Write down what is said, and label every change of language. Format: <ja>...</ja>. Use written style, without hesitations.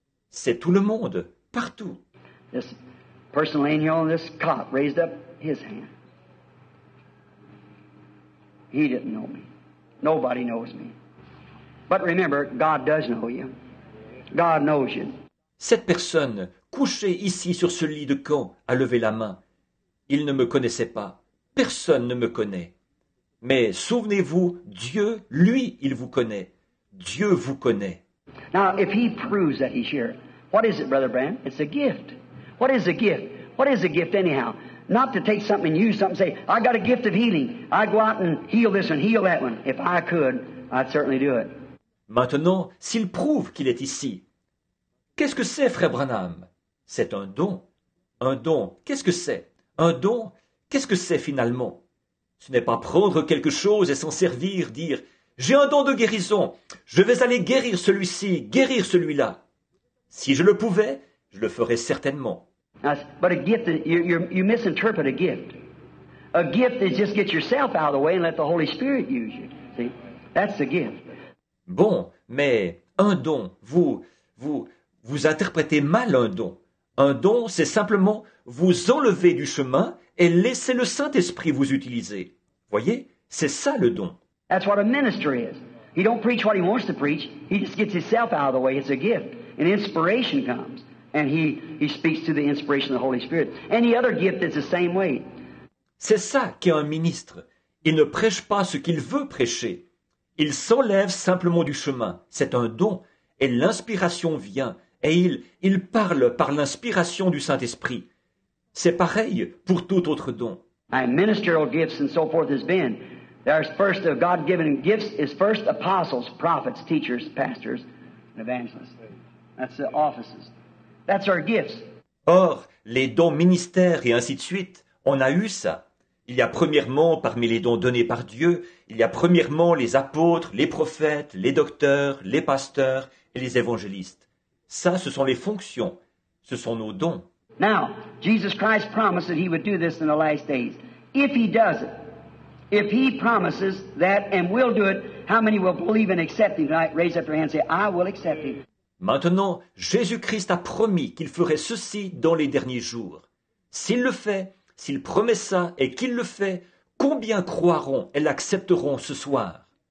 <fr>C'est tout le monde, partout.</fr> <en>This person laying here on this cot raised up his hand. He didn't know me. Nobody knows me. But remember, God does know you. God knows you.</en> <fr>Cette personne, couchée ici sur ce lit de camp, a levé la main. Il ne me connaissait pas. Personne ne me connaît. Mais souvenez-vous, Dieu, lui, il vous connaît. Dieu vous connaît.</fr> <en>Now, if he proves that he's here, what is it, Brother Branham? It's a gift. What is a gift? What is a gift anyhow? Not to take something and use something and say, I got a gift of healing. I go out and heal this one, heal that one. If I could, I'd certainly do it.</en> <fr>Maintenant, s'il prouve qu'il est ici, qu'est-ce que c'est, Frère Branham? C'est un don. Un don, qu'est-ce que c'est? Un don, qu'est-ce que c'est finalement? Ce n'est pas prendre quelque chose et s'en servir, dire, j'ai un don de guérison, je vais aller guérir celui-ci, guérir celui-là. Si je le pouvais, je le ferais certainement.</fr> <en>But a gift, you misinterpret a gift. A gift is just get yourself out of the way and let the Holy Spirit use you. See, that's a gift.</en> <fr>Bon, mais un don, vous interprétez mal un don. Un don, c'est simplement vous enlever du chemin et laisser le Saint-Esprit vous utiliser. Voyez, c'est ça le don.</fr> <en>That's what a minister is. He don't preach what he wants to preach. He just gets himself out of the way. It's a gift. And inspiration comes. And he speaks to the inspiration of the Holy Spirit. Any other gift is the same way.</en> <fr>C'est ça qu'est un ministre. Il ne prêche pas ce qu'il veut prêcher. Il s'enlève simplement du chemin. C'est un don. Et l'inspiration vient. Et il parle par l'inspiration du Saint-Esprit. C'est pareil pour tout autre don.</fr> <en>And ministerial gifts and so forth has been. There's first of God-given gifts is first apostles, prophets, teachers, pastors, and evangelists. That's the offices. That's our gifts.</en> <fr>Or, les dons ministères et ainsi de suite, on a eu ça. Il y a premièrement, parmi les dons donnés par Dieu, il y a premièrement les apôtres, les prophètes, les docteurs, les pasteurs et les évangélistes. Ça, ce sont les fonctions. Ce sont nos dons.</fr> <en>Now, Jesus Christ promised that he would do this in the last days. If he does it, if he promises that and will do it, how many will believe and accept him tonight? Raise up your hand and say, I will accept him.</en> <fr>Maintenant, Jésus-Christ a promis qu'il ferait ceci dans les derniers jours. S'il le fait, s'il promet ça et qu'il le fait, combien croiront et l'accepteront ce soir?</fr>